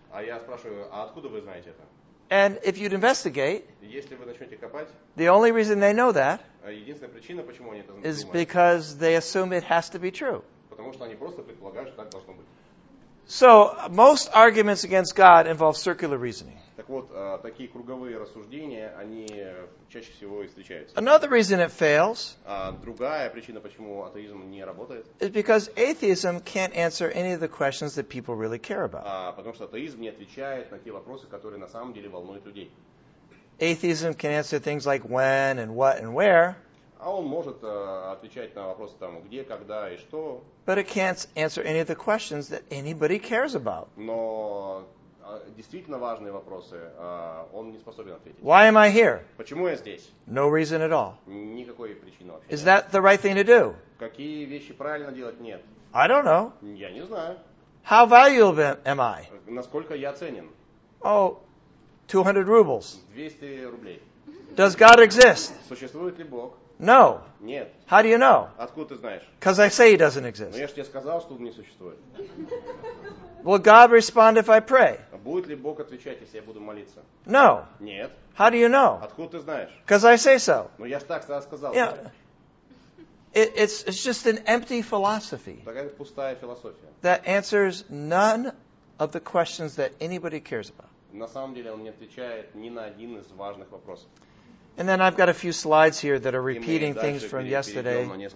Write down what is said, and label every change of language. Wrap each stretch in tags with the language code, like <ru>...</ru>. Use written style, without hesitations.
<ru>А я спрашиваю, а откуда вы знаете это?</ru> <en>And if you'd investigate,</en> <ru>если вы начнете копать,</ru> <en>the only reason they know that,</en> <ru>единственная причина, почему они это знают,</ru> <en>is because they assume it has to be true.</en> <ru>Потому что они просто предполагают, что так должно быть.</ru> <en>So, most arguments against God involve circular reasoning.</en> <ru>Так вот, такие круговые рассуждения, они чаще всего и встречаются.</ru> <en>Another reason it fails.</en> <ru>Другая причина, почему атеизм не работает.</ru> <en>Is because atheism can't answer any of the questions that people really care about.</en> <ru>Потому что атеизм не отвечает на те вопросы, которые на самом деле волнуют людей.</ru> <en>Atheism can answer things like when and what and where.</en> <ru>А он может отвечать на вопросы там, где, когда и что.</ru> <en>But it can't answer any of the questions that anybody cares about.</en> <ru>Но действительно важные вопросы он не способен ответить.</ru> <en>Why am I here?</en> <ru>Почему я здесь?</ru> <en>No reason at all.</en> <ru>Никакой причины вообще.</ru> <en>Is that the right thing to do?</en> <ru>Какие вещи правильно делать? Нет.</ru> <en>I don't know.</en> <ru>Я не знаю.</ru> <en>How valuable am I?</en> <ru>Насколько я ценен?</ru> <en>Oh, 200 rubles.</en> <ru>200 рублей.</ru> <en>Does God exist?</en> <ru>Существует ли Бог?</ru> <en>No.</en> <ru>Нет.</ru> <en>How do you know?</en> <ru>Откуда ты знаешь?</ru> <en>Because I say he doesn't exist.</en> <ru>Но я же тебе сказал, что он не существует.</ru> <en>Will God respond if I pray?</en> <ru>Будет ли Бог отвечать, если я буду молиться?</ru> <en>No.</en> <ru>Нет.</ru> <en>How do you know?</en> <ru>Откуда ты знаешь?</ru> <en>Because I say so.</en> <ru>Но я же так сказал.</ru> <en>It's just an empty philosophy.</en> <ru>Такая пустая философия.</ru> <en>That answers none of the questions that anybody cares about.</en> <ru>На самом деле он не отвечает ни на один из важных вопросов.</ru> <en>And then I've got a few slides here that are repeating things from yesterday.</en>